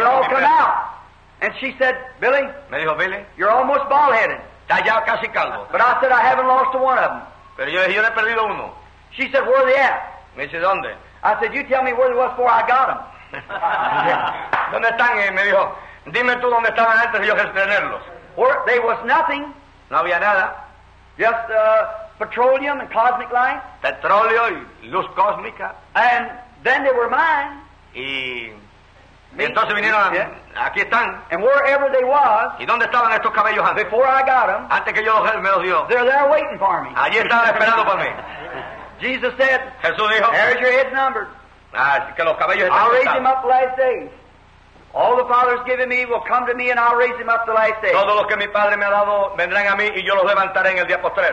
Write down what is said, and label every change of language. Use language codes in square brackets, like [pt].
[en] It all come out. And she said, Billy. [es] Me dijo, Billy. [en] You're almost bald-headed. [es] Ya casi calvo. [en] But I said, I haven't lost one of them. [es] Pero yo he perdido uno. [en] She said, where are they at? [es] Me dice, ¿dónde? [en] I said, you tell me where they was before I got them. [es] ¿Dónde están? Me dijo, dime tú dónde estaban antes de yo tenerlos. [en] Where, they was nothing. [es] No había nada. [en] Just petroleum and cosmic light. [es] Petróleo y luz cósmica. [en] And then they were mine. [es] Y entonces vinieron, yeah. Aquí están. [en] And wherever they was, [es] ¿y dónde estaban estos cabellos antes? [en] Before I got them, [es] antes que yo los me los dio. [en] They're there waiting for me. [es] Allí estaban esperando por mí. [en] Jesus said, [es] Jesús dijo, [en] there's your heads numbered. [es] Que los cabellos están. [en] I'll raise him up the last days. All the Father's given me will come to me and I'll raise him up the last days. [es] Todos los que mi Padre me ha dado vendrán a mí y yo los levantaré en el día postrero.